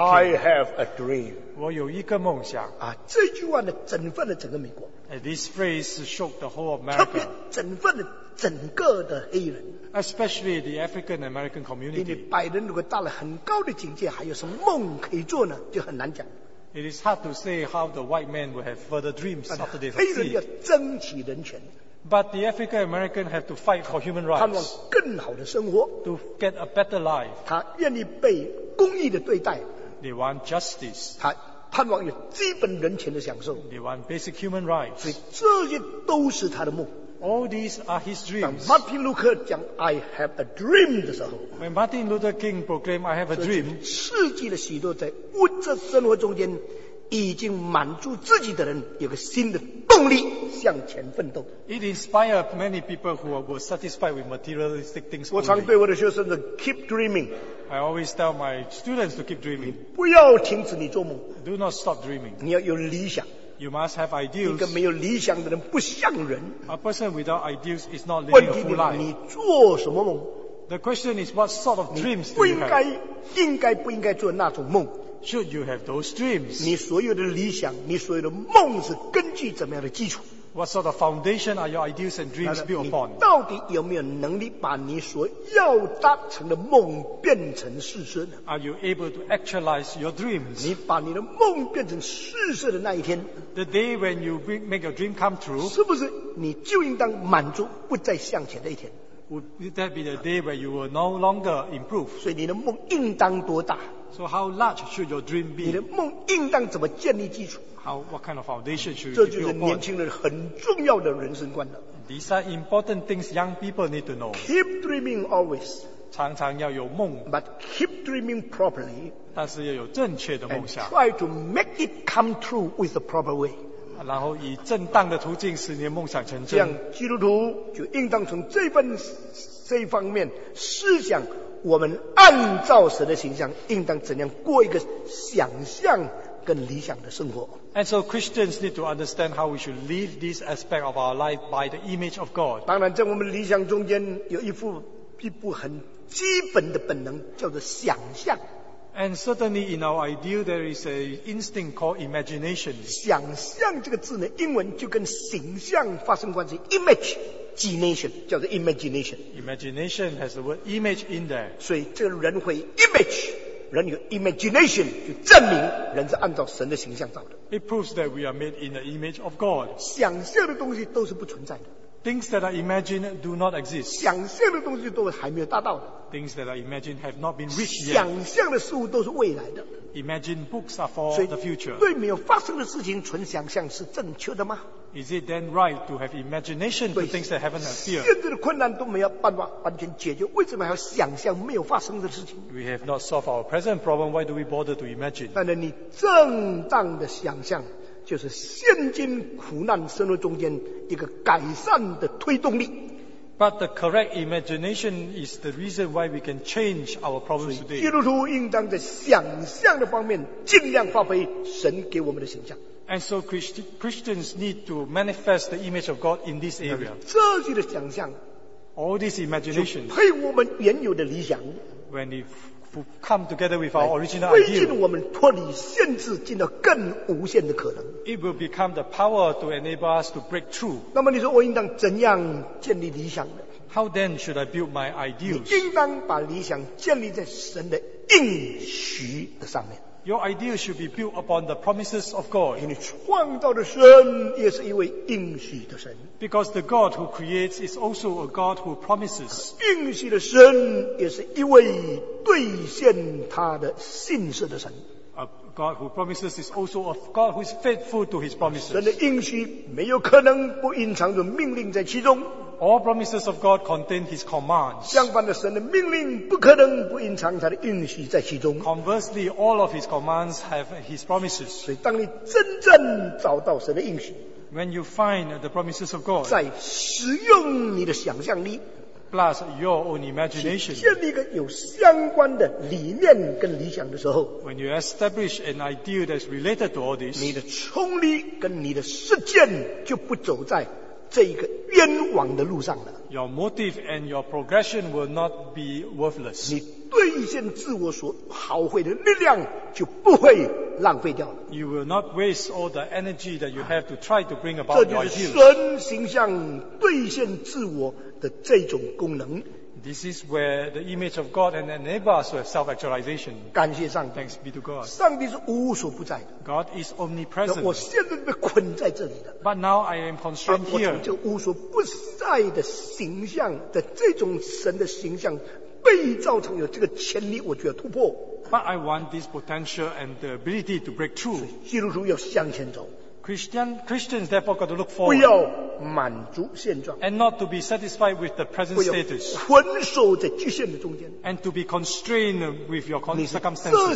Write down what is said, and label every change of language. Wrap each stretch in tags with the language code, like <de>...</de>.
<en>I have a dream.</en> <zh>我有一个梦想。啊，这句话呢，振奋了整个美国。</zh> <en>And this phrase shook the whole of America.</en> <zh>特别振奋了整个的黑人。</zh> <en>Especially the African American community.</en> <zh>因为白人如果到了很高的境界，还有什么梦可以做呢？就很难讲。</zh> <en>It is hard to say how the white man will have further dreams after they succeed.</en> <zh>黑人要争取人权。</zh> <en>But the African American have to fight for human rights.</en> <zh>盼望更好的生活。</zh> <en>To get a better life.</en> <zh>他愿意被公义的对待。</zh> <en>They want justice.</en> <zh>他盼望有基本人权的享受。</zh> <en>They want basic human rights.</en> <zh>所以这些都是他的梦。</zh> <en>All these are his dreams.</en> <zh>当 Martin Luther 讲</zh> <en>I have a dream</en> <zh>的时候</zh> <en>，When Martin Luther King proclaimed I have a dream，</en> <zh>刺激了许多在物质生活中间已经满足自己的人有个新的动力向前奋斗。</zh> <en>It inspired many people who were satisfied with materialistic things.</en> <zh>我常对我的学生说 ，</zh> <en>Keep dreaming. I always tell my students to keep dreaming.</en> <zh>你不要停止你做梦。</zh> <en>Do not stop dreaming.</en> <zh>你要有理想。</zh> <en>You must have ideals.</en> <zh>一个没有理想的人不像人。</zh> <en>A person without ideals is not living a full life.</en> <zh>问题你做什么梦</zh> <en>？The question is what sort of dreams do you have?</en> <zh>应该不应该做那种梦</zh> <en>？Should you have those dreams?</en> <zh>你所有的理想，你所有的梦是根据怎么样的基础</zh> <en>？What sort of foundation are your ideals and dreams built upon?</en> <zh>你到底有没有能力把你所要达成的梦变成事实呢</zh> <en>？Are you able to actualize your dreams?</en> <zh>你把你的梦变成事实的那一天。</zh> <en>The day when you make your dream come true,</en> <zh>是不是你就应当满足不再向前的一天</zh> <en>？Would that be the day where you will no longer improve?</en> <zh>所以你的梦应当多大</zh> <en>？So how large should your dream be?</en> <zh>你的梦应当怎么建立基础</zh> <en>？How what kind of foundation should you build upon?</en> <zh>这就是年轻人很重要的人生观了。</zh> <en>These are important things young people need to know. Keep dreaming always.</en> <zh>常常要有梦</zh> <en>，But keep dreaming properly.</en> <zh>但是要有正确的梦想</zh> <en>，and try to make it come true with the proper way.</en> <zh>然后以正当的途径使你的梦想成真。这样基督徒就应当从这方面思想，我们按照神的形象，应当怎样过一个想象跟理想的生活。</zh> <en>And so Christians need to understand how we should live this aspect of our life by the image of God.</en> <zh>当然，在我们理想中间有一部很基本的本能叫做想象。</zh> <en>And certainly in our ideal there is an instinct called imagination.</en> <zh>想象这个字呢，英文就跟形象发生关系 ，image, imagination 叫做 imagination.</zh> <en>Imagination has the word image in there.</en> <zh>所以这个人会 image， 人有 imagination 就证明人是按照神的形象造的。</zh> <en>It proves that we are made in the image of God.</en> <zh>想象的东西都是不存在的。</zh> <en>Things that I imagine do not exist.</en> <zh>想象的东西都还没有达到的。</zh> <en>Things that I imagine have not been reached yet.</en> <zh>想象的事物都是未来的。</zh> <en>Imagine books are for the future.</en> <zh>对没有发生的事情存想象是正确的吗</zh> <en>？Is it then right to have imagination to things that haven't appeared?</en> <zh>现在的困难都没有办法完全解决，为什么还要想象没有发生的事情</zh> <en>？We have not solved our present problem. Why do we bother to imagine?</en> <zh>但是你正当的想象。就是现今苦难生活中间一个改善的推动力。</zh> <en>But the correct imagination is the reason why we can change our problems today.</en> <zh>基督徒应当在想象的方面尽量发挥神给我们的形象。</zh> <en>And so Christians need to manifest the image of God in this area.</en> <zh>这些的想象</zh> <en>，all this imagination，</en> <zh>就配我们原有的理想。</zh> <en>When it come together with our original idea.</en> <zh>推进我们脱离限制，进到更无限的可能。</zh> <en>It will become the power to enable us to break through.</en> <zh>那么你说我应当怎样建立理想呢</zh> <en>？How then should I build my ideals?</en> <zh>你应当把理想建立在神的应许的上面。</zh> <en>Your idea should be built upon the promises of God.</en> <zh>因为创造的神也是一位应许的神。</zh> <en>Because the God who creates is also a God who promises.</en> <zh>应许的神也是一位兑现他的信实的神。</zh> <en>A God who promises is also a God who is faithful to his promises.</en> <zh>神的应许没有可能不隐藏着命令在其中。</zh> <en>All promises of God contain His commands.</en> <zh>相反的，神的命令不可能不隐藏他的应许在其中。</zh> <en>Conversely, all of His commands have His promises.</en> <zh>所以，当你真正找到神的应许</zh> <en>，When you find the promises of God,</en> <zh>在使用你的想象力</zh> <en>plus your own imagination.</en> <zh>建立一个有相关的理念跟理想的时候，</zh> <en>when you establish an idea that's related to all this,</en> <zh>你的冲力跟你的实践就不走在这一个冤枉的路上了。</zh> <en>Your motive and your progression will not be worthless.</en> <zh>你兑现自我所耗费的力量就不会浪费掉了。</zh> <en>You will not waste all the energy that you have to try to bring about your ideals.</en> <zh>这就是神形象兑现自我的这种功能。</zh> <en>This is where the image of God and enables us to have self-actualization.</en> <zh>感谢上帝。</zh> <en>Thanks be to God.</en> <zh>上帝是无所不在的。</zh> <en>God is omnipresent.</en> <zh>我现在被困在这里的。</zh> <en>But now I am constrained here.</en> <zh>我从这无所不在的形象的这种神的形象被造成有这个潜力，我就要突破。</zh> <en>But I want this potential and the ability to break through.</en> <zh>所以基督徒要向前走。</zh> <en>Christians therefore got to look forward.</en> <zh>不要满足现状。</zh> <en>And not to be satisfied with the present status.</en> <zh>困守在局限的中间。</zh> <en>And to be constrained with your circumstances.</en>